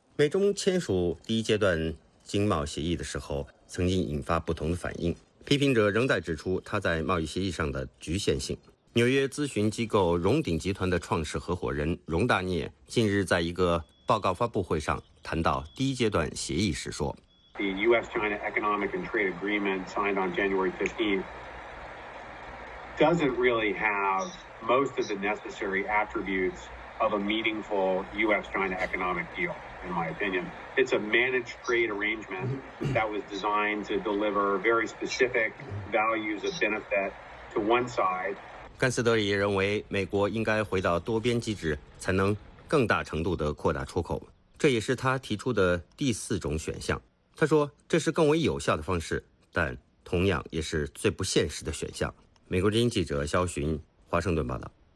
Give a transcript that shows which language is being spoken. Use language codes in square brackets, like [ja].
[zh] 美中签署第一阶段经贸协议的时候曾经引发不同的反应，批评者仍在指出它在贸易协议上的局限性。纽约咨询机构荣鼎集团的创始合伙人荣大涅近日在一个报告发布会上谈到第一阶段协议时说， [en] The US-China Economic and Trade Agreement signed on January 15thDoesn't really have most of the necessary attributes of a meaningful U.S.-China economic deal, in my opinion. It's a managed trade arrangement that was designed to deliver very specific values of benefit to one side. [zh] 甘斯德也认为，美国应该回到多边机制，才能更大程度地扩大出口。这也是他提出的第四种选项。他说，这是更为有效的方式，但同样也是最不现实的选项。美国之音记者肖寻华盛顿报道。